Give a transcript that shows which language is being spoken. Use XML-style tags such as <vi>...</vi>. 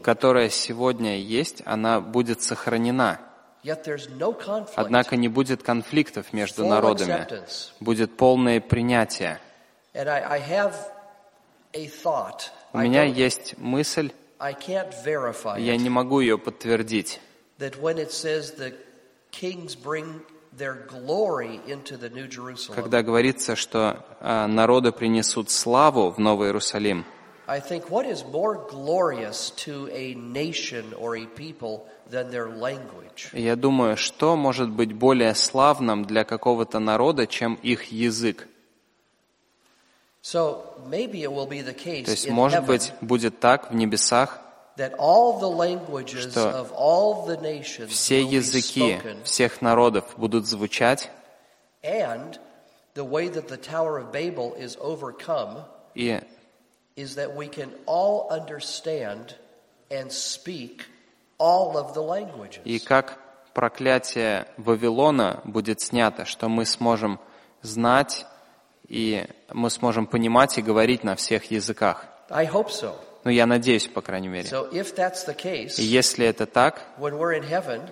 <ru>которая сегодня есть, она будет сохранена.</ru> <en>Yet there's no conflict.</en> <ru>Однако не будет конфликтов между</ru> <en>full</en> <ru>народами.</ru> <en>Acceptance.</en> <ru>Будет полное принятие.</ru> <en>And I have a thought.</en> <ru>У меня есть мысль,</ru> <en>I can't verify</en> <ru>я не могу ее подтвердить,</ru> <en>that when it says the kings bring their glory into the New Jerusalem.</en> <ru>Когда говорится, что народы принесут славу в Новый Иерусалим,</ru> <en>I think what is more glorious to a nation or a people than their language?</en> <ru>Я думаю, что может быть более славным для какого-то народа, чем их язык?</ru> <en>So maybe it will be the case.</en> <ru>То есть, может быть, будет так в небесах,</ru> <en>that all the languages of all the nations,</en> <ru>все языки всех народов будут звучать,</ru> <en>and the way that the Tower of Babel is overcome is that we can all understand and speak all of the languages.</en> <ru>И как проклятие Вавилона будет снято, что мы сможем знать и мы сможем понимать и говорить на всех языках.</ru> <en>I hope so.</en> <ru>Ну, я надеюсь, по крайней мере.</ru> <en>So if that's the case,</en> <ru>если это так,</ru> <en>when we're in heaven,</en>